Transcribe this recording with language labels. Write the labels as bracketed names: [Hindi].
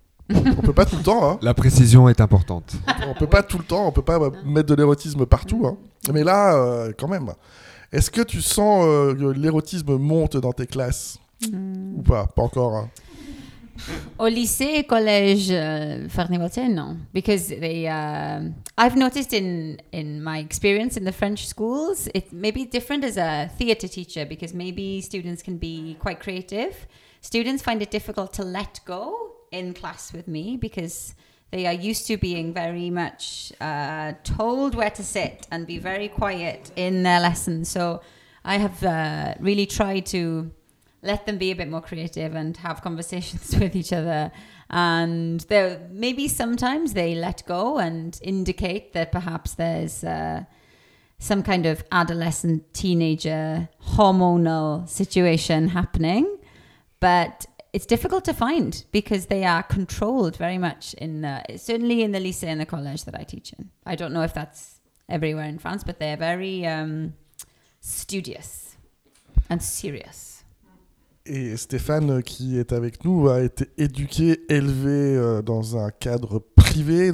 [French] On peut pas tout le temps. Hein. La précision est importante. On peut pas tout le temps, on peut pas mettre de l'érotisme partout. Hein. Mais là, quand même, est-ce que tu sens que l'érotisme monte dans tes classes ou pas? Pas encore. Hein. Au lycée, collège, Farnivaltaine, non. [English] Because I've noticed in my experience in the French schools, it may be different as a theatre teacher because maybe students can be quite creative. Students find it difficult to let go in class with me because they are used to being very much told where to sit and be very quiet in their lessons. So I have really tried to let them be a bit more creative and have conversations with each other And there, maybe sometimes they let go and indicate that perhaps there's some kind of adolescent, teenager, hormonal situation happening. But it's difficult to find because they are controlled very much in the, certainly in the lycée and the college that I teach in. I don't know if that's everywhere in France, but they're very studious and serious. [French] Et Stéphane, qui est avec nous, a été éduqué, élevé dans un cadre privé.